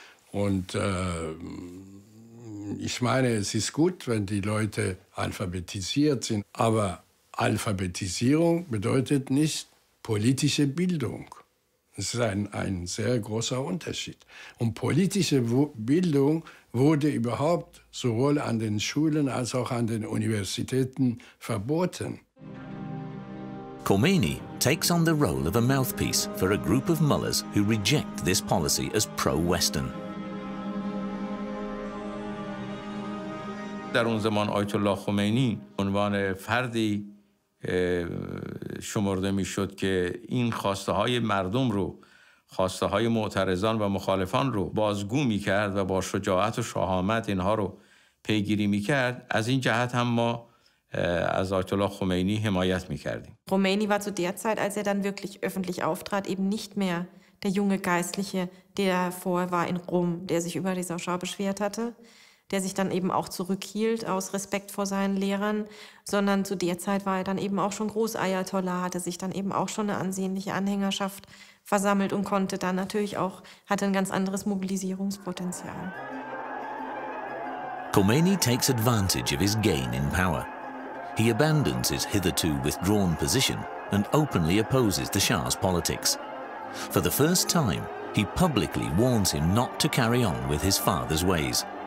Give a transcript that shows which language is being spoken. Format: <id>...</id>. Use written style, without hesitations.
<de>Und ich meine, es ist gut, wenn die Leute alphabetisiert sind, aber Alphabetisierung bedeutet nicht politische Bildung. Es ist ein sehr großer Unterschied. Und politische Bildung wurde überhaupt sowohl an den Schulen als auch an den Universitäten verboten.</de> <en>Khomeini takes on the role of a mouthpiece for a group of mullahs who reject this policy as pro-Western.</en> <fa>در اون زمان آیت الله خمینی عنوان فردی شمرده میشد که این خواسته های مردم رو خواسته های معترضان و مخالفان رو بازگو میکرد و با شجاعت و شهامت اینها رو پیگیری میکرد از این جهت هم ما از آیت الله خمینی حمایت می‌کردیم.</fa> <de>خمینی war zu der Zeit, als er dann wirklich öffentlich auftrat, eben nicht mehr der junge Geistliche, der vorher war in Rom, der sich über diese Schau beschwert hatte, der sich dann eben auch zurückhielt aus Respekt vor seinen Lehrern, sondern zu der Zeit war er dann eben auch schon Großayatollah, hatte sich dann eben auch schon eine ansehnliche Anhängerschaft versammelt und konnte dann natürlich auch, hatte ein ganz anderes Mobilisierungspotenzial.</de> <en>Khomeini takes advantage of his gain in power. He abandons his hitherto withdrawn position and openly opposes the Shah's politics. For the first time, he publicly warns him not to carry on with his father's ways.</en>